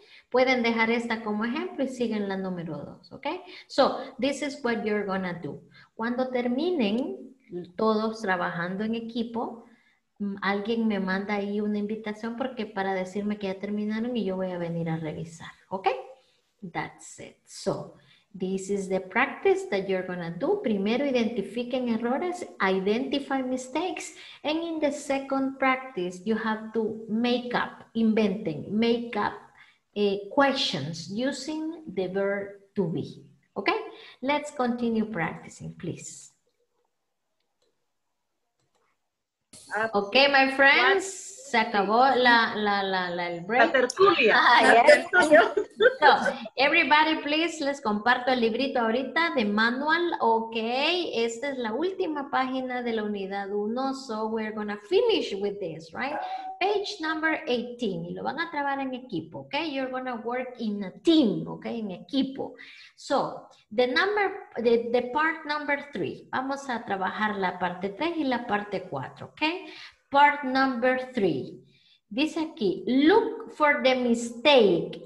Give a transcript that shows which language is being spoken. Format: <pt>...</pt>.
<es>Pueden dejar esta como ejemplo y siguen la número 2. Ok.</es> <en>So, this is what you're gonna do.</en> <es>Cuando terminen todos trabajando en equipo, alguien me manda ahí una invitación porque para decirme que ya terminaron y yo voy a venir a revisar.</es> <en>Ok. That's it. So, this is the practice that you're gonna do.</en> <es>Primero, identifiquen errores,</es> <en>identify mistakes. And in the second practice, you have to make up, inventing, make up questions using the verb to be. Okay? Let's continue practicing, please. Okay, my friends.</en> <es>Se acabó el break. La tertulia.</es> <en>Ah, yes. So, everybody, please,</en> <es>les comparto el librito ahorita de manual. Ok, esta es la última página de la unidad 1.</es> <en>So, we're going to finish with this, right? Page number 18.</en> <es>Y lo van a trabajar en equipo, ok?</es> <en>You're going to work in a team, ok?</en> <es>En equipo.</es> <en>So, the part number 3.</en> <es>Vamos a trabajar la parte 3 y la parte 4, ok?</es> <en>Part number 3.</en> <es>Dice aquí,</es> <en>look for the mistake.</en>